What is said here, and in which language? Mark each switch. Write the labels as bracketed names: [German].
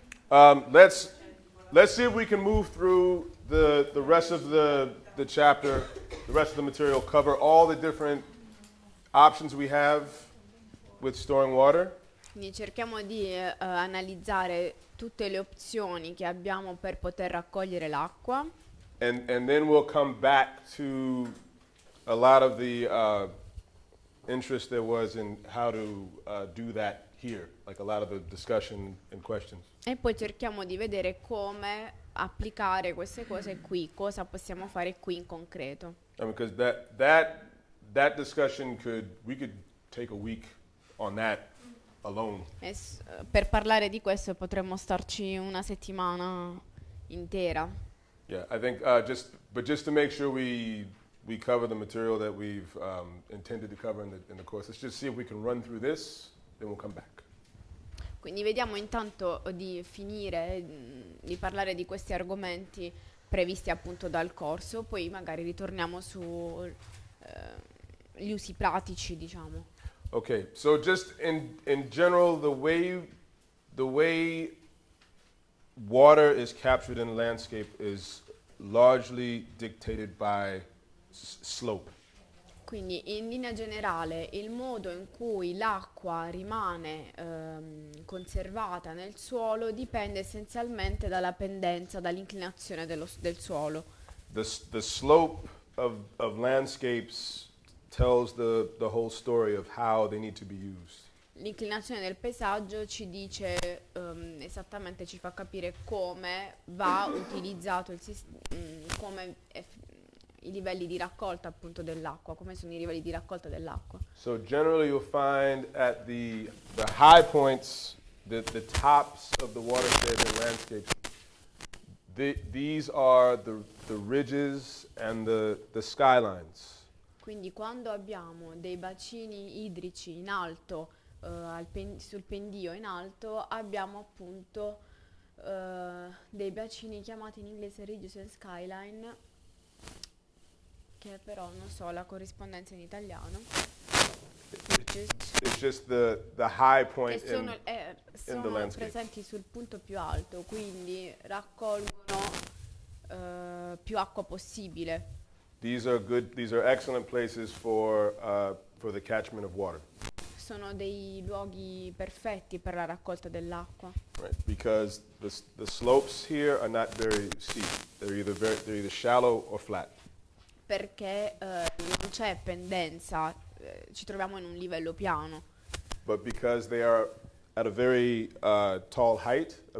[English] Let's see if we can move through the rest of the chapter, the rest of the material, cover all the different options we have with storing water. [Italian] Quindi cerchiamo di analizzare tutte le opzioni che abbiamo per poter raccogliere l'acqua. [English] And then we'll come back to a lot of the interest there was in how to do that. Here, like a lot of the discussion and questions. [Italian] E poi cerchiamo di vedere come applicare queste cose qui, cosa possiamo fare qui in concreto. [English] Because that discussion we could take a week on that alone. [Italian] Per parlare di questo potremmo starci una settimana intera. [English] Yeah, I think just to make sure we cover the material that we've intended to cover in the course. Let's just see if we can run through this. Then we'll come back. [Italian] Quindi vediamo intanto di finire di parlare di questi argomenti previsti appunto dal corso, poi magari ritorniamo su gli usi pratici, diciamo. [English] Okay, so just in general the way water is captured in landscape is largely dictated by slope. [Italian] Quindi, in linea generale, il modo in cui l'acqua rimane conservata nel suolo dipende essenzialmente dalla pendenza, dall'inclinazione del suolo. [English] The slope of landscapes tells the whole story of how they need to be used. [Italian] L'inclinazione del paesaggio ci dice esattamente, ci fa capire come va utilizzato il sistema, come i livelli di raccolta appunto dell'acqua, come sono i livelli di raccolta dell'acqua. [English] So generally you'll find at the high points, the tops of the watershed and landscape, these are the ridges and the skylines. [Italian] Quindi quando abbiamo dei bacini idrici in alto, sul pendio in alto, abbiamo appunto dei bacini chiamati in inglese [English] ridges and skyline, [Italian] che però non so la corrispondenza in italiano. [English] It's just the high point in the landscape. [Italian] Sono presenti sul punto più alto, quindi raccolgono più acqua possibile. [English] These are excellent places for the catchment of water. [Italian] Sono dei luoghi perfetti per la raccolta dell'acqua. [English] Right, because the slopes here are not very steep. They're either shallow or flat. [Italian] Perché non c'è pendenza, ci troviamo in un livello piano. [English] But because they are at a very tall height, a